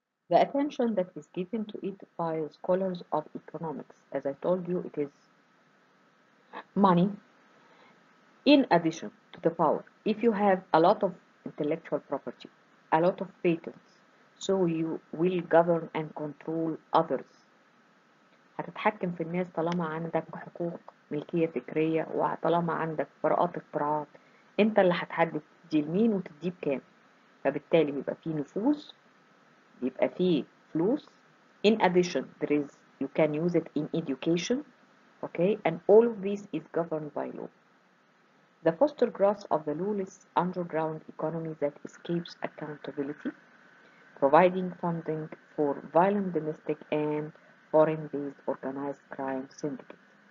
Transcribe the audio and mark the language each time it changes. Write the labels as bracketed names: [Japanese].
[English] The attention that is given to it by scholars of economics, as I told you, it is money in addition to the power. If you have a lot of intellectual property, a lot of patents, so you will govern and control others. [Arabic] هتتحكم في الناس طالما عندك حقوق ملكية فكرية وطالما عندك براءات اختراع انت اللي هتحدد دي لمين وتدي بكام. فبالتالي بيبقى فيه نفوذ يبقى فيه فلوس. [English] In addition, there is, you can use it in education, okay, and all of this is governed by law. The foster growth of the lawless underground economy that escapes accountability, providing funding for violent domestic and foreign-based organized crime syndicates.